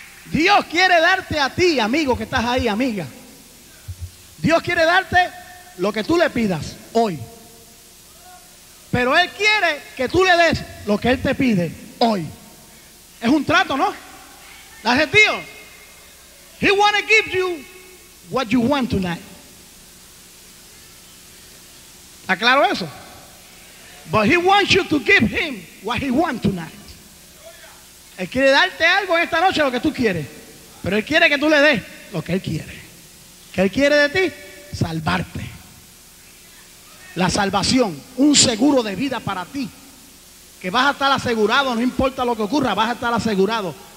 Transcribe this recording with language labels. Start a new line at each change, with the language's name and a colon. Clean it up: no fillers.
Spanish: Dios quiere darte a ti, amigo, que estás ahí, amiga. Dios quiere darte lo que tú le pidas hoy. Pero Él quiere que tú le des lo que Él te pide hoy. Es un trato, ¿no?
English: That's a deal. He wants to give you what you want tonight.
Spanish: ¿Aclaro eso?
English: But He wants you to give Him what He wants tonight.
Spanish: Él quiere darte algo en esta noche, lo que tú quieres. Pero Él quiere que tú le des lo que Él quiere. ¿Qué Él quiere de ti? Salvarte. La salvación, un seguro de vida para ti. Que vas a estar asegurado, no importa lo que ocurra, vas a estar asegurado.